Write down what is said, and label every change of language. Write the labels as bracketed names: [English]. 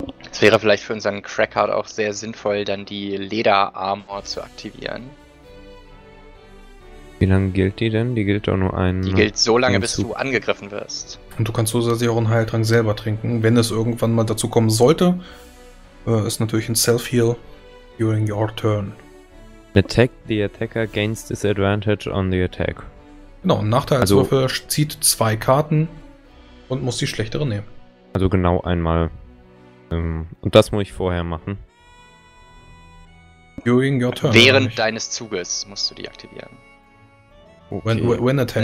[German] Es wäre vielleicht für unseren Crackheart auch sehr sinnvoll, dann die Lederarmor zu aktivieren. Wie lange gilt die denn? Die gilt auch nur einen. Die gilt so lange, bis du angegriffen wirst. Und du kannst zusätzlich auch einen Heiltrank selber trinken. Wenn es irgendwann mal dazu kommen sollte, ist natürlich ein Self-Heal [English] during your turn. Attack the attacker gains disadvantage on the attack. [German] Genau, ein Nachteilswürfel also, zieht 2 Karten und muss die schlechtere nehmen. Also genau einmal. Und das muss ich vorher machen. [English] During your turn. [German] Während deines Zuges musst du die aktivieren. [English] Okay. When attack.